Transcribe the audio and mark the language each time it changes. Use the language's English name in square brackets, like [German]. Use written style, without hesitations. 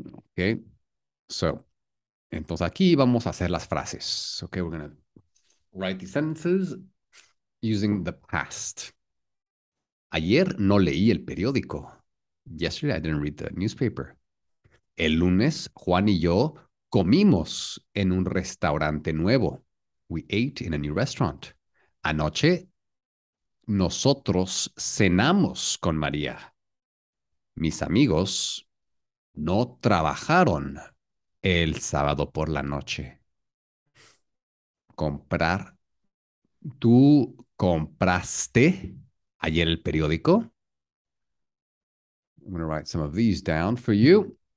[Spanish] Okay, so, entonces aquí vamos a hacer las frases. [English] Okay, we're going to write these sentences using the past. [Spanish] Ayer no leí el periódico. [English] Yesterday I didn't read the newspaper. [Spanish] El lunes, Juan y yo comimos en un restaurante nuevo. [English] We ate in a new restaurant. [Spanish] Anoche, nosotros cenamos con María. Mis amigos no trabajaron el sábado por la noche. Comprar. Tú ¿Compraste ayer el periódico? [English] I'm going to write some of these down for you.